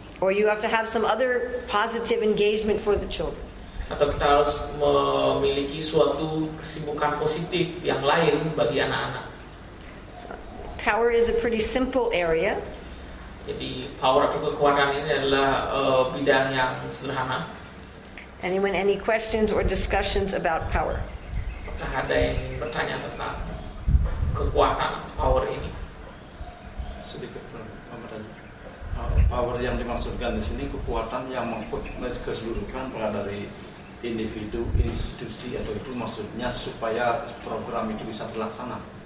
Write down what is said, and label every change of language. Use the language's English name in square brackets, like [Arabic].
[English] Or you have to have some other positive engagement for the children. [Indonesian] Atau kita harus memiliki suatu kesibukan positif yang lain bagi anak-anak. [English] Power is a pretty simple area. [Indonesian] Jadi power atau kekuatan ini adalah bidang yang sederhana. [English] Anyone any questions or discussions about power? [Indonesian] Apakah ada yang bertanya tentang kekuatan power ini? Sedikit pertanyaan. Power yang dimaksudkan di sini kekuatan yang mengikut keseluruhan dari individu, institusi atau itu maksudnya supaya program itu bisa terlaksana.